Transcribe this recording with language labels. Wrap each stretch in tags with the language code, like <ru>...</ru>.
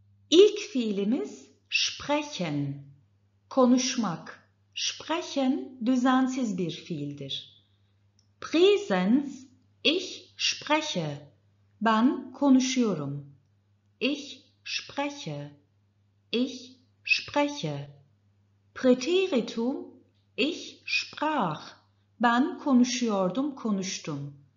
<tr>İlk fiilimiz sprechen, konuşmak. Sprechen düzensiz bir fiildir. Präsens,</tr> <de>ich spreche,</de> <tr>ben konuşuyorum.</tr> <de>Ich spreche, ich spreche.</de> <tr>Präteritum,</tr> <de>ich sprach,</de> <tr>ben konuşuyordum, konuştum.</tr>